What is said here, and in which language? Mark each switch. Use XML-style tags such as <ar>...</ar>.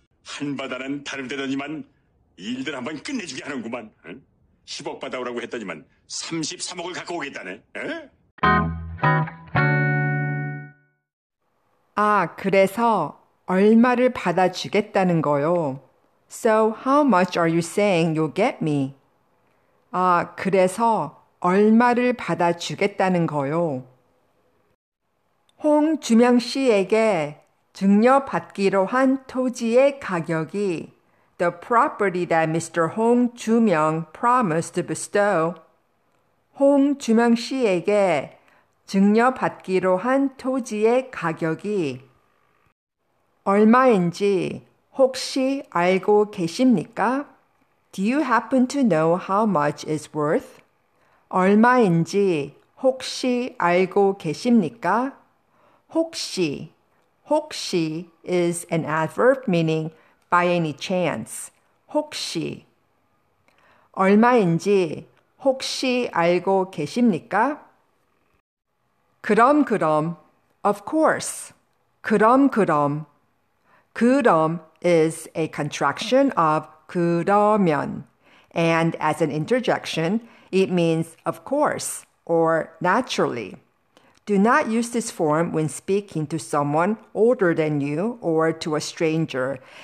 <ko>한 바다는 다른 데더니만 일들 한번 끝내주게 하는구만. 10억 받아오라고 했더니만 33억을 갖고 오겠다네. 에? 아, 그래서 얼마를 받아주겠다는 거요.</ko> <en>So how much are you saying you'll get me?</en> <ko>아, 그래서 얼마를 받아주겠다는 거요. 홍주명 씨에게 증여받기로 한 토지의 가격이</ko> <en>The property that Mr. Hong Joo-myung promised to bestow.</en> <ko>홍 주명 씨에게 증여받기로 한 토지의 가격이 얼마인지 혹시 알고 계십니까?</ko> <en>Do you happen to know how much is worth?</en> <ko>얼마인지 혹시 알고 계십니까?</ko> <en>혹시, 혹시 is an adverb meaning by any chance.</en> <ko>혹시 얼마인지 혹시 알고 계십니까? 그럼.</ko> <en>Of course.</en> <ko>그럼.</ko> <en>그럼 is a contraction of 그러면. And as an interjection, it means of course or naturally. Do not use this form when speaking to someone older than you or to a stranger.</en>